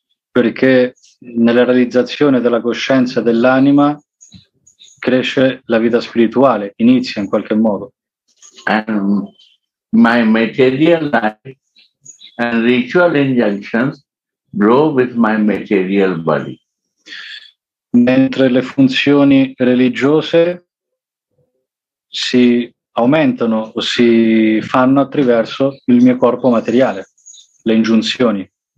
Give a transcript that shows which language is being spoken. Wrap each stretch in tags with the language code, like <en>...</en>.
<it>Perché nella realizzazione della coscienza dell'anima cresce la vita spirituale, inizia in qualche modo.</it> <en>And my material life and ritual injunctions grow with my material body.</en> <it>Mentre le funzioni religiose si aumentano o si fanno attraverso il mio corpo materiale, le ingiunzioni.</it>